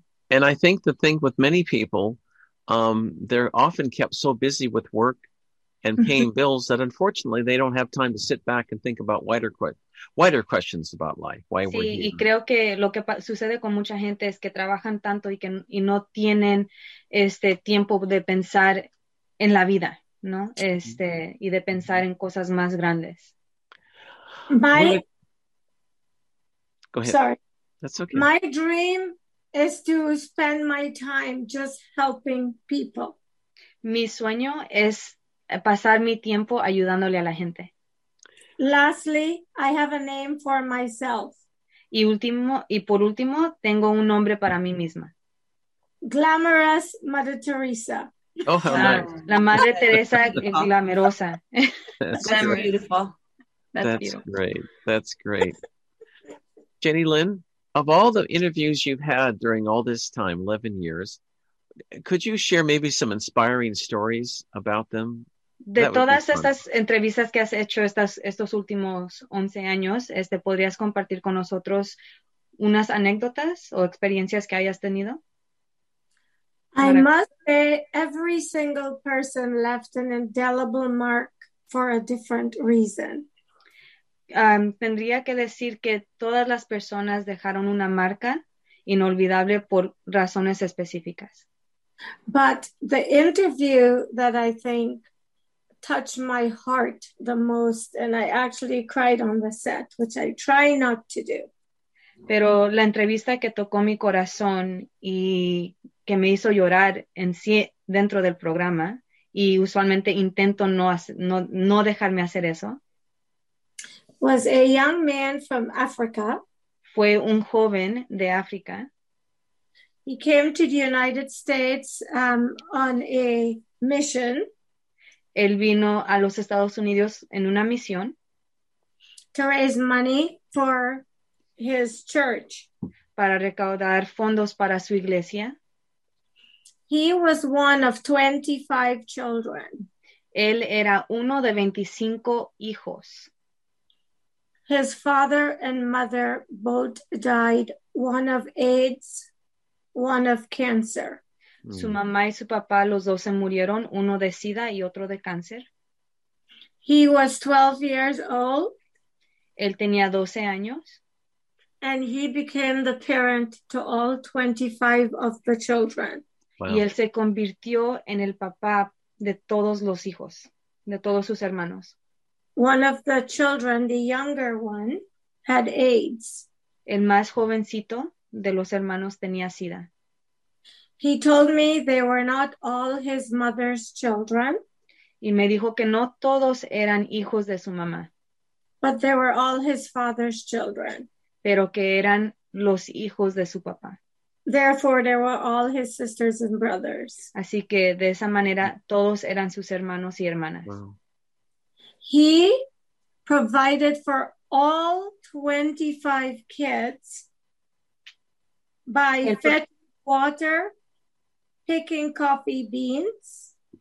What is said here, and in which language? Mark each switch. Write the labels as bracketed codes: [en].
[en] And I think the thing with many people, they're often kept so busy with work and paying bills that unfortunately they don't have time to sit back and think about wider questions about life. Why [es] sí, [en] we're here. [es] Y creo que lo que sucede con mucha gente es que trabajan tanto y no tienen tiempo de pensar en la vida, ¿no? Y de pensar en cosas más grandes. [en] Bye. Go ahead. Sorry. That's okay. My dream is to spend my time just helping people. [es] Mi sueño es pasar mi tiempo ayudándole a la gente. [en] Lastly, I have a name for myself. [es] Y por último, tengo un nombre para mí misma. [en] Glamorous Mother Teresa. Oh, how nice. [es] La Madre Teresa Glamerosa. [en] That's beautiful. That's great. Jenny Lynn, of all the interviews you've had during all this time, 11 years, could you share maybe some inspiring stories about them? [es] De todas estas entrevistas que has hecho estos últimos 11 años, ¿podrías compartir con nosotros unas anécdotas o experiencias que hayas tenido? [en] I must say every single person left an indelible mark for a different reason. [es] Tendría que decir que todas las personas dejaron una marca inolvidable por razones específicas. [en] But the interview that I think touched my heart the most, and I actually cried on the set, which I try not to do. [es] Pero la entrevista que tocó mi corazón y que me hizo llorar en sí dentro del programa, y usualmente intento no dejarme hacer eso, [en] was a young man from Africa. [es] Fue un joven de África. [en] He came to the United States on a mission. [es] Él vino a los Estados Unidos en una misión. [en] To raise money for his church. [es] Para recaudar fondos para su iglesia. [en] He was one of 25 children. [es] Él era uno de 25 hijos. [en] His father and mother both died, one of AIDS, one of cancer. [es] Su mamá y su papá, los dos se murieron, uno de SIDA y otro de cáncer. [en] He was 12 years old. [es] Él tenía 12 años. [en] And he became the parent to all 25 of the children. Wow. [es] Y él se convirtió en el papá de todos los hijos, de todos sus hermanos. [en] One of the children, the younger one, had AIDS. [es] El más jovencito de los hermanos tenía SIDA. [en] He told me they were not all his mother's children. [es] Y me dijo que no todos eran hijos de su mamá. [en] But they were all his father's children. [es] Pero que eran los hijos de su papá. [en] Therefore, they were all his sisters and brothers. [es] Así que de esa manera, todos eran sus hermanos y hermanas. [en] Wow. He provided for all 25 kids by fetching water, picking coffee beans,